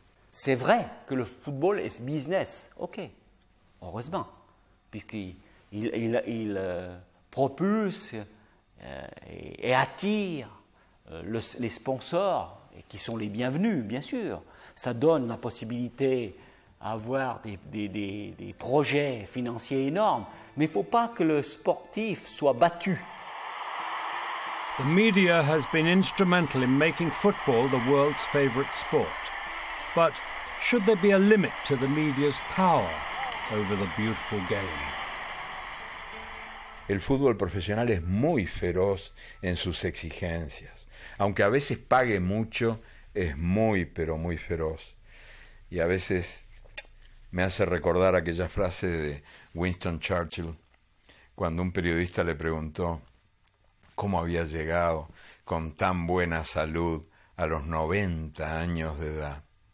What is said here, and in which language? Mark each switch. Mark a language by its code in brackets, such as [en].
[fr] C'est vrai que le football est business. OK, heureusement, puisqu'il propulse et attire les sponsors, qui sont les bienvenus, bien sûr. Ça donne la possibilité d'avoir des projets financiers énormes. Mais il ne faut pas que le sportif soit battu. [en] The media has been instrumental in making football the world's favorite sport. But should there be a limit to the media's power over the beautiful game? [es] El fútbol profesional es muy feroz en sus exigencias. Aunque a veces pague mucho, es muy, pero muy feroz. Y a veces me hace recordar aquella frase de Winston Churchill cuando un periodista le preguntó cómo había llegado con tan buena salud a los 90 años de edad.